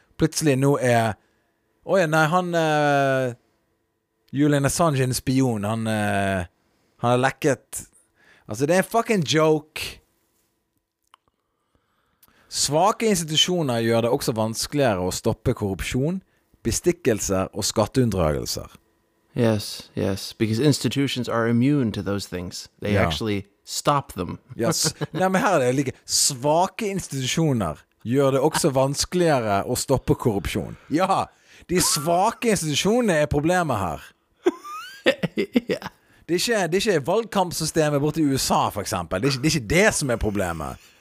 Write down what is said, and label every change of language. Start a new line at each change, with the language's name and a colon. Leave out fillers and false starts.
Norwegian: Plutselig nå er, Julian Assange er en spion, han har lekket. Altså det er en fucking joke. Svake institusjoner gjør det også vanskeligere å stoppe korrupsjon, bestikkelser og skatteunndragelser.
English: Yes, because institutions are immune to those things. They actually stop them.
Norwegian: Yes. Nei, men her er det like. Svake institusjoner gjør det også vanskeligere å stoppe korrupsjon. Ja, de svake institusjonene er problemet her. Det er ikke valgkampsystemet borte i USA, for eksempel. Det er ikke det som er problemet.